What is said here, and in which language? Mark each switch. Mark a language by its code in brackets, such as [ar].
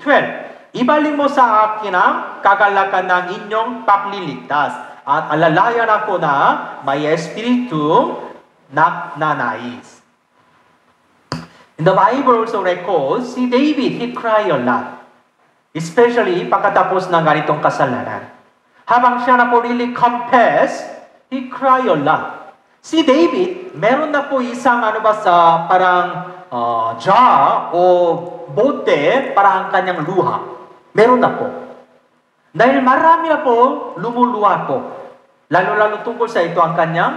[tl] 12, ibalik mo sa akin ang kagalakan ng inyong pagliligtas at alalayan ako na may espiritu nananais. [en] In the Bible also records, si David, he cried a lot. [tl] Especially pagkatapos ng ganitong kasalanan. [en] Habang siya na po really confess, he cried a lot. [tl] Si David, meron na po isang ano ba sa parang jar o bote para ang kanyang luha. Meron na po. Dahil marami na po lumuluha po. Lalo-lalo tungkol sa ito ang kanyang